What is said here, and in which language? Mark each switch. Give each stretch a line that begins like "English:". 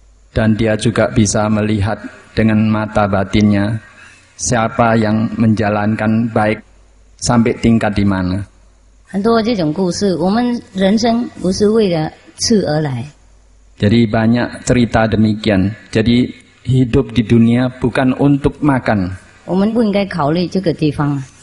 Indonesian: Dan dia juga bisa melihat dengan mata batinnya siapa yang menjalankan baik sampai tingkat di mana.
Chinese: 很多这种故事, 我们人生不是为了吃而来。
Indonesian: Jadi banyak cerita demikian. Jadi hidup di dunia bukan untuk makan.
Chinese: 我们不应该考虑这个地方。